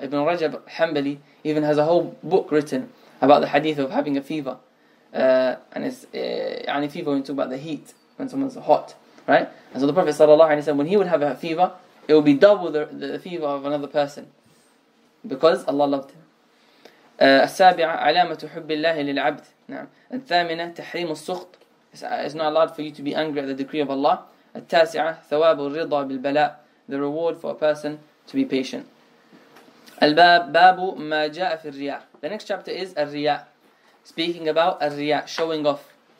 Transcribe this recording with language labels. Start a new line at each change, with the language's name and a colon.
English: Ibn Rajab Hanbali even has a whole book written about the hadith of having a fever. And fever, when you talk about the heat, when someone's hot, right? And so the Prophet sallallahu alaihi wasallam, when he would have a fever, it would be double the fever of another person, because Allah loved him.
Arabic: السابعة علامة حب الله للعبد. نعم. الثامنة تحريم السخط.
English: It's not allowed for you to be angry at the decree of Allah.
Arabic: التاسعة ثواب الرضا بالبلاء.
English: The reward for a person to be patient.
Arabic: الباب باب ما جاء في الرياء.
English: The next chapter is الرياء. Speaking about الرياء, showing off.